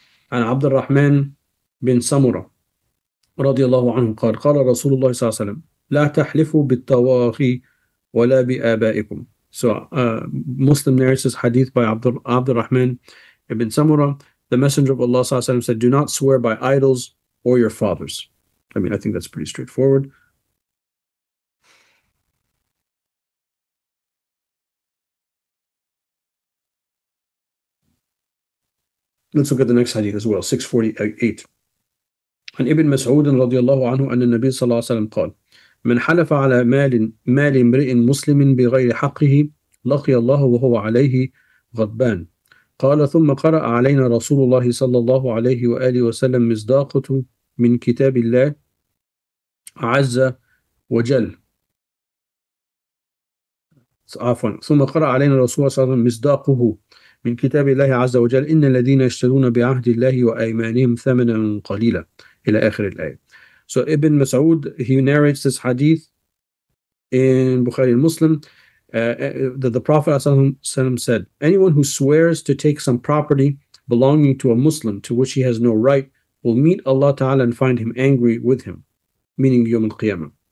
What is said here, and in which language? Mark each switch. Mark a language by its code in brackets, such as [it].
[en] And Abd al-Rahman bin Samura, radiyallahu anhu, [ar] قال قال رسول الله صلى الله عليه وسلم لا تحلفوا بالطواغي ولا بآبائكم. [en] So Muslim narrates this hadith by Abd al-Rahman ibn Samura. The Messenger of Allah sallallahu alaihi wasallam said, do not swear by idols or your fathers. I mean, I think that's pretty straightforward. Let's look at the next hadith as well, 648. And Ibn Mas'ud radiallahu anhu, and the Nabi sallallahu alaihi wasallam [ar] قال من حلف على مال امرئ مسلم بغير حقه لقي الله وهو عليه غضبان. قال ثم قرأ علينا رسول الله صلى الله عليه وآله وسلم مصداقة من كتاب الله عز وجل. عفوا. ثم قرأ علينا رسول الله صلى الله عليه وسلم مصداقه من كتاب الله عز وجل إن الذين يشترون بعهد الله وأيمانهم ثمنا قليلا إلى آخر الآية. [en] So Ibn Mas'ud, he narrates this hadith in Bukhari and Muslim, that the Prophet ﷺ said, anyone who swears to take some property belonging to a Muslim to which he has no right will meet Allah Ta'ala and find him angry with him, meaning Yawm al-Qiyamah.